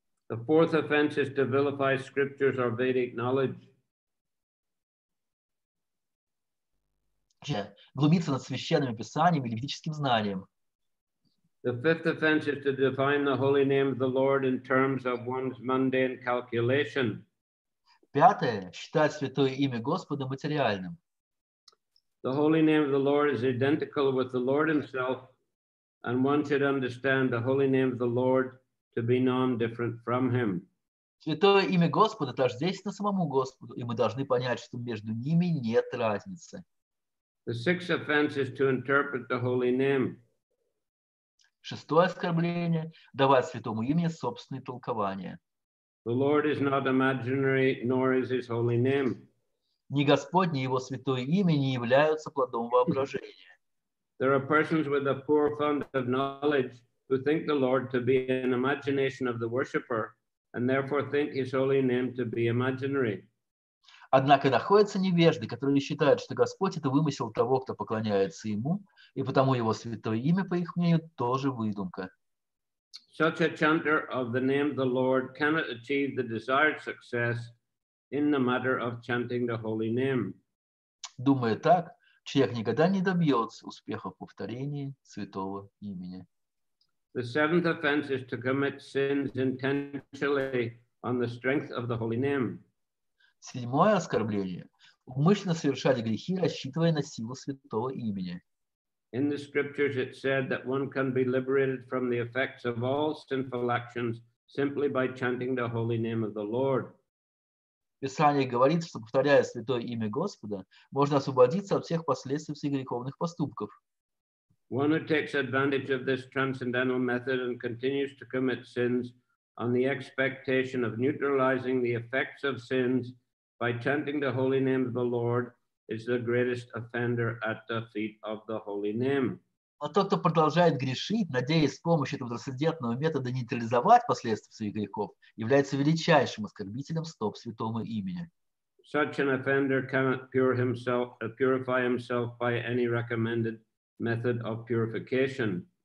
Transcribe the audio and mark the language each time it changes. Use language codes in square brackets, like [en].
[en] The fourth offense is to vilify scriptures or Vedic knowledge. [ru] Глумиться над священными писаниями или ведическим знанием. [en] The fifth offense is to define the holy name of the Lord in terms of one's mundane calculation. [ru] Пятое – считать святое имя Господа материальным. [en] The holy name of the Lord is identical with the Lord himself, and one should understand the holy name of the Lord to be non-different from him. [ru] Святое имя Господа тождественно самому Господу, и мы должны понять, что между ними нет разницы. [en] The sixth offense is to interpret the holy name. [ru] Шестое оскорбление – давать святому имени собственные толкования. [en] The Lord is not imaginary, nor is his holy name. [ru] Ни Господь, ни его святое имя не являются плодом воображения. [en] There are persons with a poor fund of knowledge who think the Lord to be an imagination of the worshipper, and therefore think his holy name to be imaginary. [ru] Однако находятся невежды, которые считают, что Господь – это вымысел того, кто поклоняется Ему, и потому Его святое имя, по их мнению, тоже выдумка. [en] Such a chanter of the name of the Lord cannot achieve the desired success in the matter of chanting the holy name. [ru] Думая так, человек никогда не добьется успеха в повторении святого имени. [en] The seventh offense is to commit sins intentionally on the strength of the holy name. [ru] Седьмое оскорбление – умышленно совершать грехи, рассчитывая на силу святого имени. [en] In the scriptures it said that one can be liberated from the effects of all sinful actions simply by chanting the holy name of the Lord. [ru] Писание говорит, что повторяя святое имя Господа, можно освободиться от всех последствий всех греховных поступков. [en] One who takes advantage of this transcendental method and continues to commit sins on the expectation of neutralizing the effects of sins by chanting the holy name of the Lord is the greatest offender at the feet of the holy name. [ru] А тот, кто продолжает грешить, надеясь с помощью этого трансцендентного метода нейтрализовать последствия своих грехов, является величайшим оскорбителем стоп святого имени. [en] Such an offender cannot purify himself by any recommended method of purification.